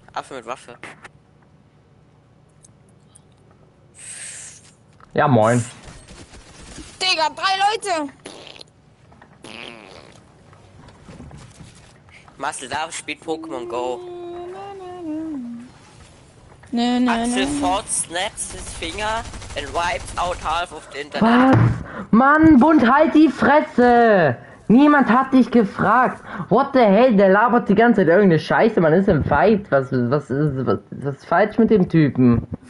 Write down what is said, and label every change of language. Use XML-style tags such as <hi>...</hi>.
<de>Affe mit Waffe. Ja, moin. Digga, 3 Leute! Marcel darf spielt Pokémon Go. Axel</de> <en>Ford snaps his finger and wipes out half of the internet.</en> <de>Was? Mann, Bund, halt die Fresse! Niemand hat dich gefragt.</de> <en>What the hell?</en> <de>Der labert die ganze Zeit irgendeine Scheiße. Man ist im Fight. Was ist falsch mit dem Typen?</de>